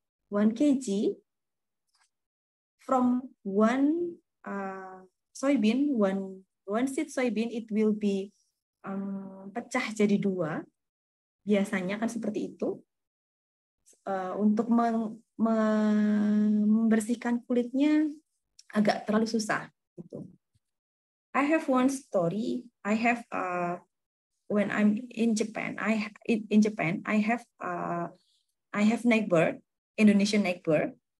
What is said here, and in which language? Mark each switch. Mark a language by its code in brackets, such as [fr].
[en] one kg from one soybean, one seed soybean, it will be [id] pecah jadi dua, biasanya kan seperti itu. Untuk membersihkan kulitnya agak terlalu susah gitu. [en] I have one story. I have when I'm in Japan, I have neighbor, Indonesian neighbor.